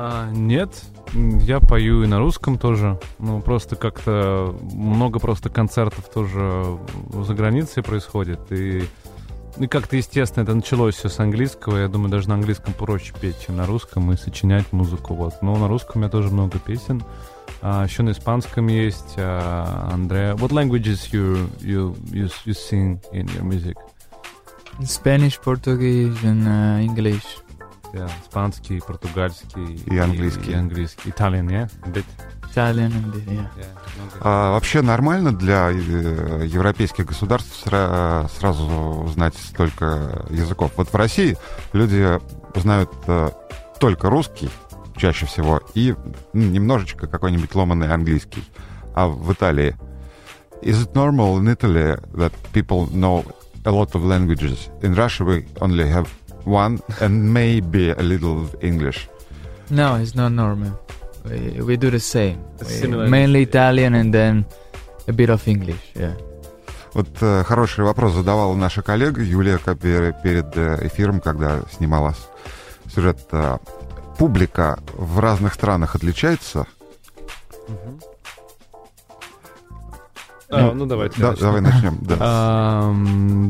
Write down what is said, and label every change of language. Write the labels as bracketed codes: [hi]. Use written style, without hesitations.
[ru] Нет, я пою и на русском тоже. Ну, просто как-то много просто концертов тоже за границей происходит. И как-то, естественно, это началось все с английского. Я думаю, даже на английском проще петь, чем на русском, и сочинять музыку. Вот. Но на русском у меня тоже много песен. Еще на испанском есть. [en] Андреа, what languages you sing in your music? Spanish, Portuguese and English. [ru] Yeah, испанский, португальский. И английский. И английский. [en] Italian, yeah? A bit. Italian, and bit, yeah. [ru] Вообще нормально для европейских государств сразу знать столько языков? Вот в России люди знают только русский, чаще всего, и немножечко какой-нибудь ломанный английский. А в Италии? [en] Is it normal in Italy that people know a lot of languages? In Russia we only have one and maybe a little English. No, it's not normal. We do the same. Mainly Italian and then a bit of English, yeah. [ru] Вот хороший вопрос задавала наша коллега Юлия Капер перед эфиром, когда снимала сюжет. Публика в разных странах отличается? Давайте начнем.